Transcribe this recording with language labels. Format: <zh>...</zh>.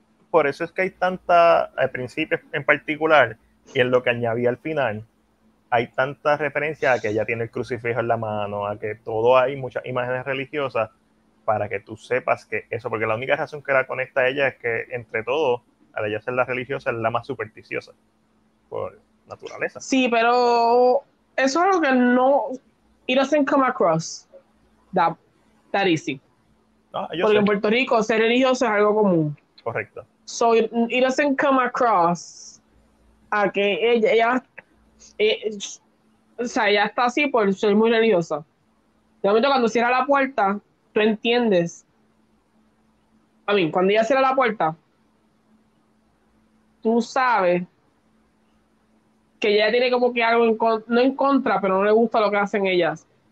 <es>Por eso es que hay tanta, al principio en particular, y en lo que añadí al final, hay tanta referencia a que ella tiene el crucifijo en la mano, a que todo hay muchas imágenes religiosas, para que tú sepas que eso, porque la única razón que la conecta a ella es que, entre todo, al ella ser la religiosa, es la más supersticiosa. Por naturaleza. Sí, pero eso es algo que no...</es> <en>It doesn't come across that easy.</en> <es>No, porque sé. En Puerto Rico ser religioso es algo común. Correcto.</es> <en>So it doesn't come across</en> <es>a que ella está así por ser muy religiosa. De momento cuando cierra la puerta, tú entiendes. A mí, cuando ella cierra la puerta, tú sabes que ella tiene como que algo no en contra, pero no le gusta lo que hacen ellas.</es>